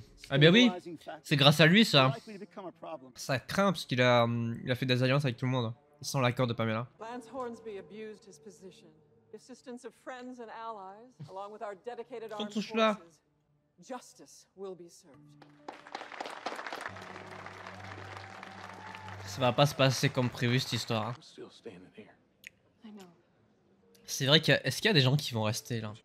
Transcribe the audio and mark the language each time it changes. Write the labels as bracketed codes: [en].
[fr] Ah bien oui, c'est grâce à lui ça. Ça craint parce qu'il a, il a fait des alliances avec tout le monde sans l'accord de Pamela. [en] Lance Hornsby abused his position. The assistance of friends and allies, along with our dedicated armed forces, justice will be served. [fr] Ça va pas se passer comme prévu cette histoire. C'est vrai que est-ce qu'il y a des gens qui vont rester là?